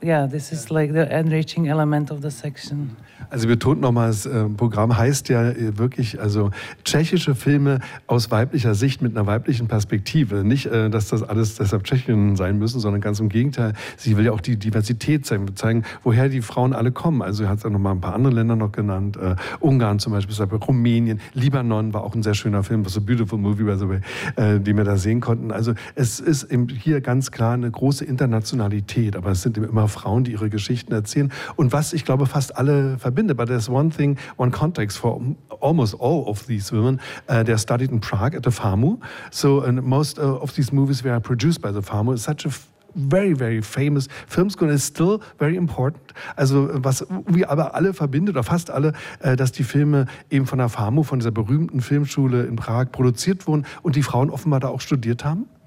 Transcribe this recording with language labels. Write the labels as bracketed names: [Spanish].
[English] This is like the enriching element of the section. [German] Also betont nochmal, das Programm heißt ja wirklich, also tschechische Filme aus weiblicher Sicht mit einer weiblichen Perspektive. Nicht, dass das alles deshalb Tschechien sein müssen, sondern ganz im Gegenteil. Sie will ja auch die Diversität zeigen, woher die Frauen alle kommen. Also hat es ja nochmal ein paar andere Länder noch genannt. Ungarn zum Beispiel, Rumänien, Libanon war auch ein sehr schöner Film, [English] was a beautiful movie, by the way, [German] den wir da sehen konnten. Also es ist eben hier ganz klar eine große Internationalität, aber es sind eben immer Frauen, die ihre Geschichten erzählen. Und was, ich glaube, fast alle verbinde, [English] but there's one thing, one context for almost all of these women. They studied in Prague at the FAMU. So and most of these movies were produced by the FAMU. It's such a very, very famous film school and it's still very important. [German] Also was wir aber alle verbindet, oder fast alle, dass die Filme eben von der FAMU, von dieser berühmten Filmschule in Prag produziert wurden und die Frauen offenbar da auch studiert haben.